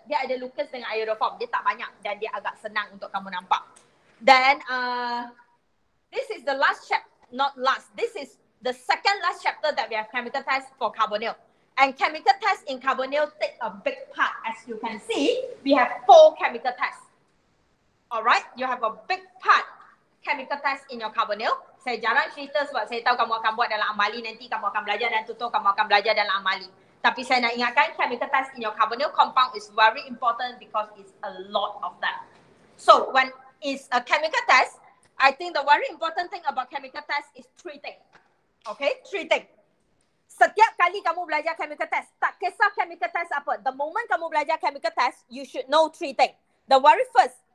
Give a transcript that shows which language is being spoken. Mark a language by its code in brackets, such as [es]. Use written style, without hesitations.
[ms] Dia ada Lucas dengan aerofoam. Dia tak banyak dan dia agak senang untuk kamu nampak. [en] Then, this is the last chapter, not last. This is the second last chapter that we have chemical test for carbonyl. And chemical test in carbonyl take a big part. As you can see, we have 4 chemical tests. Alright, you have a big part chemical test in your carbonyl. [ms] Saya jarang cerita sebab saya tahu kamu akan buat dalam amali nanti. Kamu akan belajar dan tutup, kamu akan belajar dalam amali. Tapi saya nak ingatkan, [en] chemical test in your carbonyl compound is very important because it's a lot of that. So, when it's a chemical test, I think the very important thing about chemical test is 3 things. Okay, 3 things. [ms] Setiap kali kamu belajar [en] chemical test, [ms] tak kisah [en] chemical test apa, the moment [ms] kamu belajar [en] chemical test, you should know 3 things. The very first,